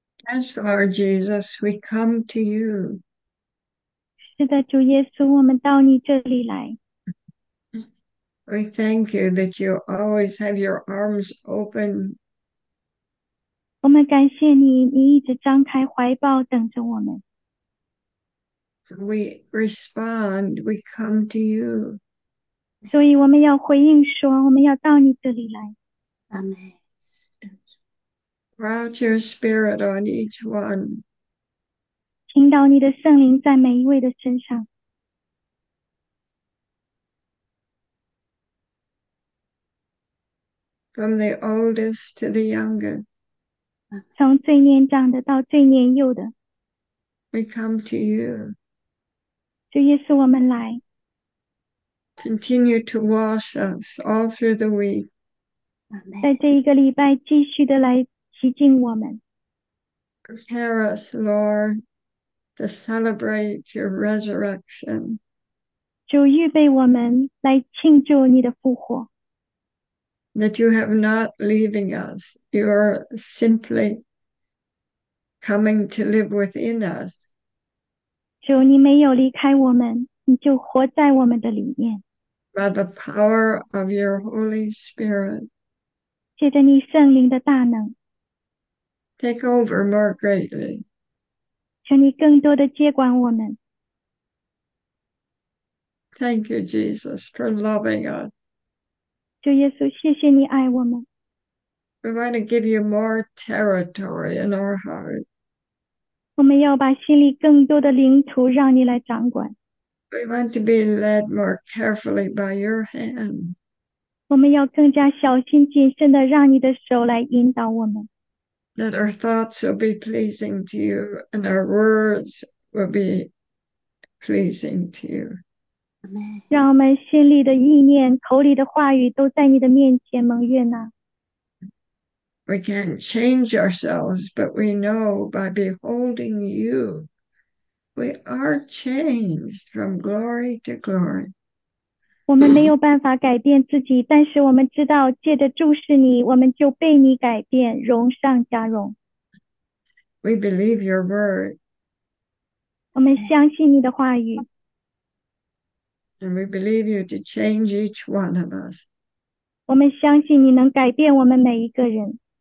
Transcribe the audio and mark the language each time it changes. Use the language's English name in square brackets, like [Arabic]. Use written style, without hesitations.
[English] Yes, Lord Jesus, we come to you. [Chinese] 是的，主耶稣，我们到你这里来。 [English] We thank you that you always have your arms open. [Chinese] 我们感谢你，你一直张开怀抱等着我们。 [English] So we respond, we come to you. [Chinese] 所以我们要回应说，我们要到你这里来。 [English] Amen. Pour out your spirit on each one. [Chinese] 倾倒你的圣灵在每一位的身上。 [English] From the oldest to the youngest, [Chinese] 从最年长的到最年幼的， [English] we come to you. [Chinese] 主耶稣，我们来。 [English] Continue to wash us all through the week. [Chinese] 在这一个礼拜，继续的来洁净我们。 [English] Prepare us, Lord, to celebrate your resurrection. [Chinese] 主预备我们来庆祝你的复活。 [English] That you have not leaving us, you are simply coming to live within us. [Chinese] 主，你没有离开我们，你就活在我们的里面。 [English] By the power of your Holy Spirit. [Chinese] 借着你圣灵的大能， [English] Take over more greatly. [Chinese] 求你更多的接管我们。 [English] Thank you, Jesus, for loving us. [Chinese] 主耶稣，谢谢你爱我们。 [English] We want to give you more territory in our heart. [Chinese] 我们要把心里更多的领土让你来掌管。 [English] We want to be led more carefully by your hand. [Chinese] 我们要更加小心谨慎的让你的手来引导我们。 [English] That our thoughts will be pleasing to you and our words will be pleasing to you. [Chinese] 让我们心里的意念、口里的话语都在你的面前蒙悦纳。 [English] We can't change ourselves, but we know by beholding you, we are changed from glory to glory. [Chinese] 我们没有办法改变自己，但是我们知道，借着注视你，我们就被你改变，荣上加荣。 [English] We believe your word. [Chinese] 我们相信你的话语。 [English] And we believe you to change each one of us. [Chinese] 我们相信你能改变我们每一个人。